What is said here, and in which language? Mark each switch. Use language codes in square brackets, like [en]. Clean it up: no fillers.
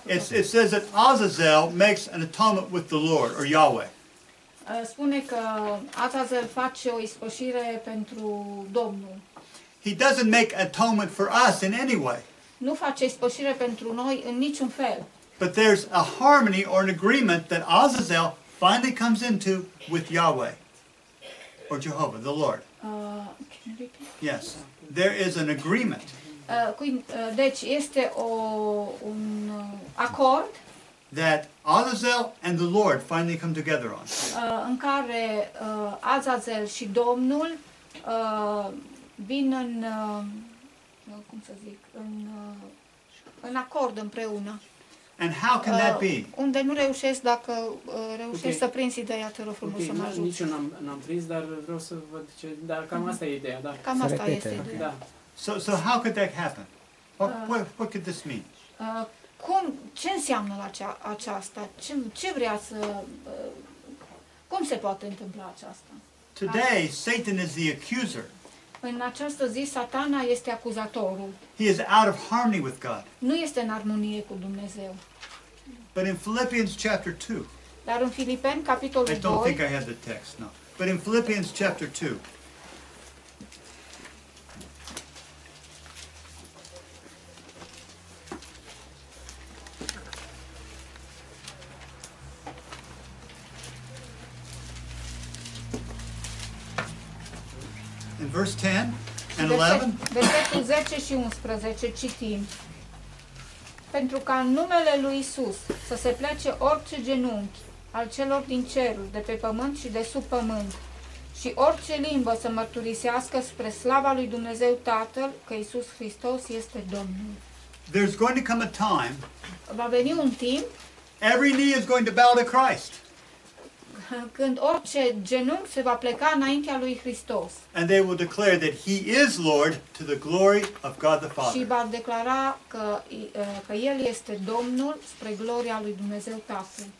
[en] It says that Azazel makes an atonement with the Lord or Yahweh. [ro] Spune că Azazel face o ispășire pentru Domnul. [en] He doesn't make atonement for us in any way. [ro] Nu face ispășire pentru noi în niciun fel. [en] But there's a harmony or an agreement that Azazel finally comes into with Yahweh or Jehovah, the Lord. Can you repeat? Yes. There is an agreement. [ro] Deci este un acord [en] that Azazel and the Lord finally come together on. [ro] În care Azazel și Domnul vin în cum să zic, în acord împreună. [en] And how can that be? [ro] Unde nu reușesc dacă reușesc okay. Să prins ideea, te rog frumos să mă ajut. Nici eu n-am prins, dar vreau să văd ce, dar cam asta e ideea, da. Cam asta este ideea. Okay. Da. [en] So how could that happen? What could this mean? [ro] Cum, ce înseamnă la aceasta? Ce vrea să... cum se poate întâmpla aceasta? [en] Today, Satan is the accuser. [ro] În această zi, Satana este acuzatorul. [en] He is out of harmony with God. [ro] Nu este în armonie cu Dumnezeu. [en] But in Philippians chapter 2... [ro] Dar în Filipeni, capitolul 2... [en] I don't think I have the text, no. But in Philippians chapter 2... Verse 10 and 11. [ro] Versetul 10 și 11 citim. Pentru ca în numele lui Isus să se plece orice genunchi al celor din ceruri, de pe pământ și de sub pământ, și orice limbă să mărturisească spre slava lui Dumnezeu Tatăl că Isus Hristos este Domnul. [en] There's going to come a time. [ro] Va veni un timp. [en] Every knee is going to bow to Christ. [ro] Când orice genunchi se va pleca înaintea lui Hristos. [en] And they will declare that he is Lord to the glory of God the Father. [ro] Și va declara că el este Domnul spre gloria lui Dumnezeu Tatăl.